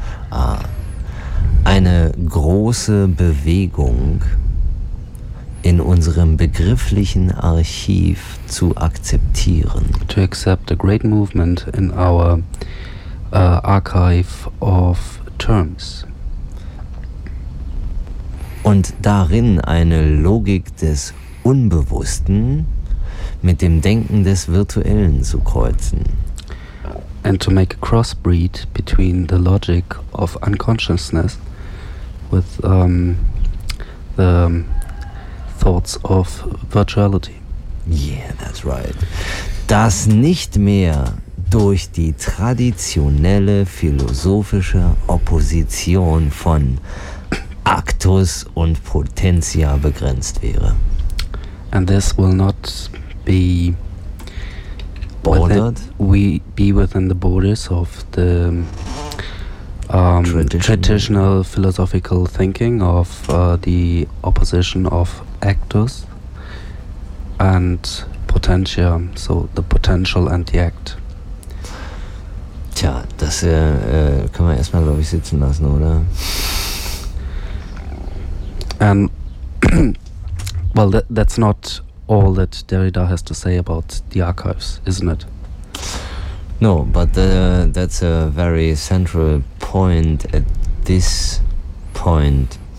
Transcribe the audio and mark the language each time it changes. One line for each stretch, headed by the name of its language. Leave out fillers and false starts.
German: Ah, eine große Bewegung in unserem begrifflichen Archiv zu akzeptieren.
English: To accept a great movement in our archive of terms.
German: Und darin eine Logik des Unbewussten mit dem Denken des Virtuellen zu kreuzen.
English: And to make a crossbreed between the logic of unconsciousness with the thoughts of virtuality. Yeah, that's right.
German: Das nicht mehr durch die traditionelle philosophische Opposition von Actus und Potentia begrenzt wäre.
English: And this will not be bordered. We be within the borders of the traditional philosophical thinking of the opposition of actus and potentia, so the potential and the act.
German: Tja, das können wir erstmal, glaube ich, sitzen lassen, oder?
English: And well, that's not all that Derrida has to say about the archives, isn't it? No, but that's a very central point at this point.